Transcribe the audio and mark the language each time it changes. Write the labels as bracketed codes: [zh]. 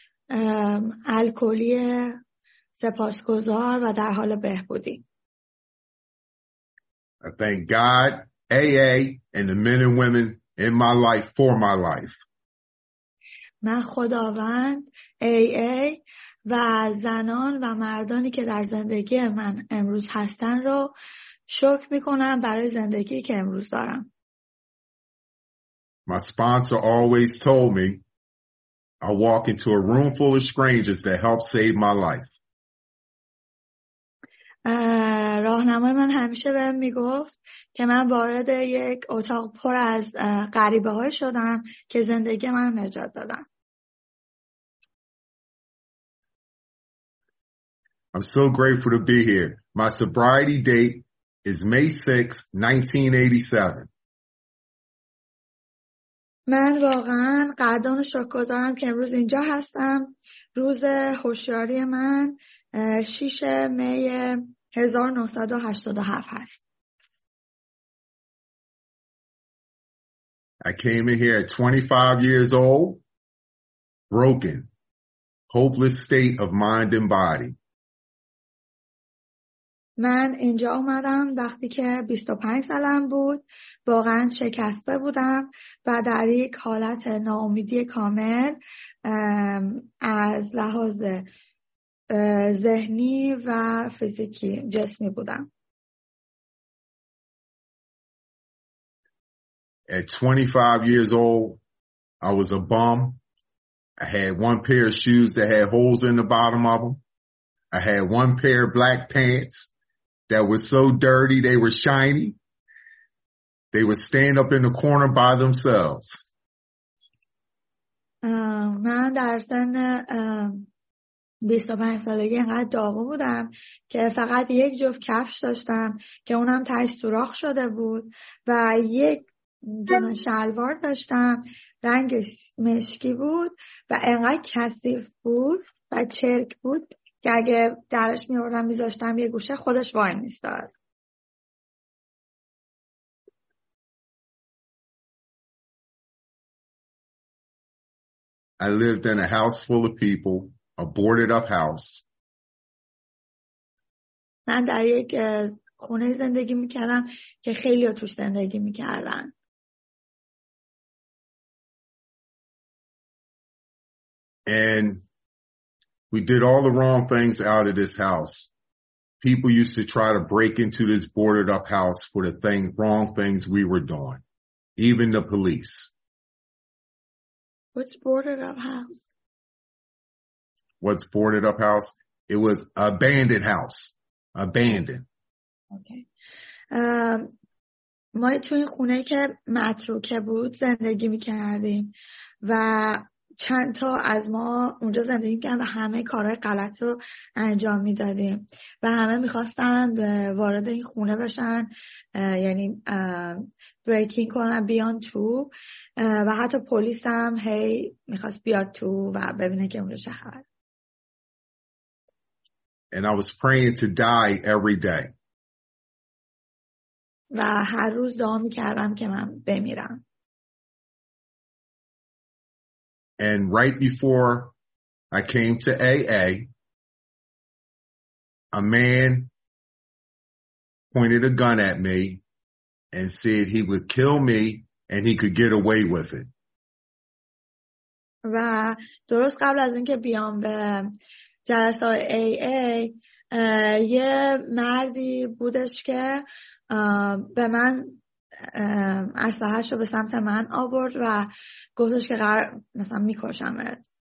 [fa] یک الکلی سپاسگزار و در حال بهبودی. [en] I thank God, AA, and the men and women in my life for my life. [fa] من خداوند AA و زنان و مردانی که در زندگی من امروز هستن رو شکر می‌کنم برای زندگی که امروز دارم. [en] My sponsor always told me I walk into a room full of strangers that help save my life. [fa] راهنمای من همیشه بهم میگفت که من وارد یک اتاق پر از غریبه های شدم که زندگی من نجات دادن. [en] I'm so grateful to be here. My sobriety date is May 6, 1987. [fa] من واقعا قدردان و شکرگزارم که امروز اینجا هستم. روز هوشیاری من 6 می 1987 هست. [en] I came in here at 25 years old, broken, hopeless state of mind and body. [fa] من اینجا اومدم وقتی که 25 سالم بود، واقعا شکسته بودم و در یک حالت ناامیدی کامل از لحاظ ذهنی و فیزیکی جسمی بودم. [en] At 25 years old, I was a bum. I had one pair of shoes that had holes in the bottom of them. I had one pair of black pants that were so dirty they were shiny. They would stand up in the corner by themselves. [fa] من در سن 25 سالگی اینقدر داغو بودم که فقط یک جفت کفش داشتم که اونم تهش سوراخ شده بود و یک دونه شلوار داشتم رنگ مشکی بود و اینقدر کثیف بود و چرک بود که اگه درش میوردم میذاشتم یه گوشه خودش وای میستاد. [en] I lived in a house full of people. A boarded up house. [fa] من در یک خونه زندگی میکردم که خیلی ها توش زندگی میکردن. [en] And we did all the wrong things out of this house. People used to try to break into this boarded up house for the thing, wrong things we were doing. Even the police. What's boarded up house? What's boarded up house? It was abandoned house. Abandoned. Okay. [fa] ما تو این خونه که متروکه بود زندگی میکردیم و چند تا از ما اونجا زندگی میکردن و همه کارهای غلط رو انجام میدادیم و همه میخواستن وارد این خونه بشن، یعنی بریکینگ کنن بیان تو و حتی پلیس هم هی میخواست بیاد تو و ببینه که اونجا چه خبره. [en] And I was praying to die every day. [fa] و هر روز دعا می‌کردم که من بمیرم. [en] And right before I came to AA, a man pointed a gun at me and said he would kill me and he could get away with it. [fa] و درست قبل از اینکه بیام به جلسه های ای ای یه مردی بودش که به من اسلحه‌اش رو به سمت من آورد و گفتش که قرار مثلا میکشمت.